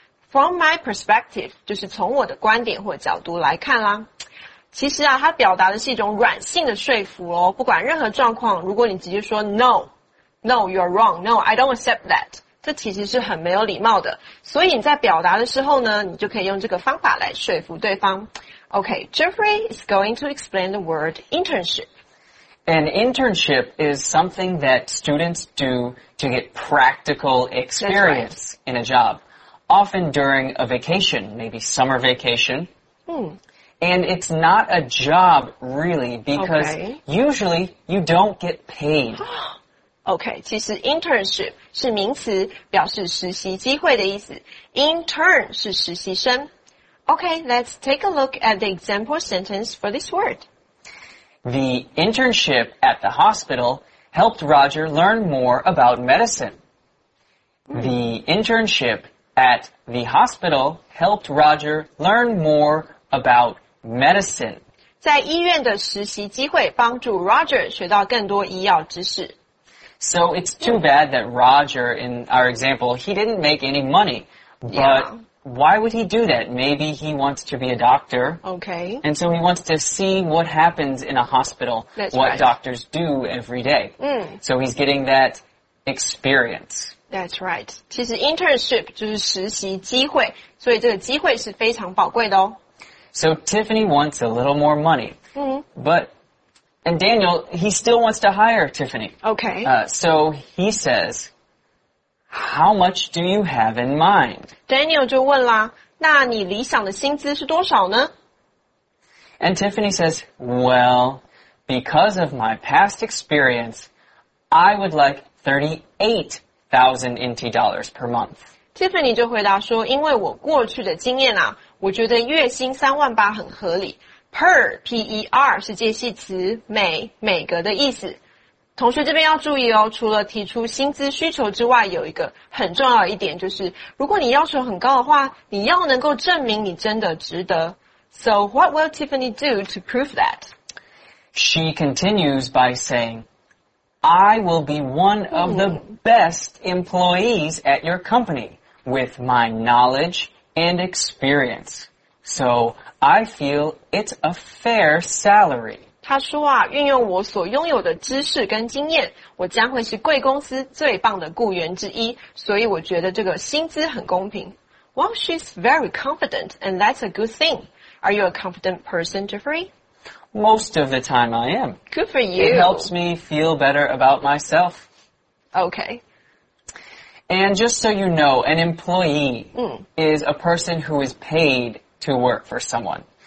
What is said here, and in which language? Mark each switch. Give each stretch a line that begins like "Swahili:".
Chinese: From my perspective 就是从我的观点或角度来看啦。其实啊，它表达的是一种软性的说服哦。不管任何状况，如果你直接说
English: No, No, you're wrong, No, I don't accept that，
Chinese: 这其实是很没有礼貌的。所以你在表达的时候呢，你就可以用这个方法来说服对方。
English: Okay, Jeffrey is going to explain the word internship. An internship is something that students do to get practical experience in a job. Often during a vacation, maybe summer vacation. And it's not a job, really, because usually you don't get paid.
Chinese: Okay, 其实 internship 是名词，表示实习机会的意思。 Intern 是实习生。
English: Okay, let's take a look at the example sentence for this word. The internship at the hospital helped Roger learn more about medicine. The internshipAt the hospital helped Roger learn more about medicine.
Chinese: 在医院的实习机会帮助 Roger 学到更多医药知识。
English: So it's too bad that Roger, in our example, he didn't make any money. But why would he do that? Maybe he wants to be a doctor. Okay. And so he wants to see what happens in a hospital, what doctors do every day. So he's getting that experience. That's right.
Chinese: 其实 internship 就是实习机会，所以这个机会是非常宝贵的哦。
English: So Tiffany wants a little more money. And Daniel, he still wants to hire Tiffany. Okay. So he says, how much do you have in mind?
Chinese: Daniel 就问啦，那你理想的薪资是多少呢？
English: And Tiffany says, well, because of my past experience, I would like 38,000 NT dollars per month.
Chinese: Tiffany 就回答说，因为我过去的经验啊，我觉得月薪三万八很合理。 Per, P-E-R 是介系词，每个的意思。同学这边要注意哦，除了提出薪资需求之外，有一个很重要的一点就是，如果你要求很高的话，你要能够证明你真的值得。
English: So what will Tiffany do to prove that? She continues by saying,I will be one of the best employees at your company with my knowledge and experience. So I feel it's a fair salary.
Chinese: 他说啊，运用我所拥有的知识跟经验，我将会是贵公司最棒的雇员之一，所以我觉得这个薪资很公平。
English: Well, she's very confident, and that's a good thing. Are you a confident person, Jeffrey? Most of the time I am. Good for you. It helps me feel better about myself. Okay. And just so you know, an employee is a person who is paid to work for someone.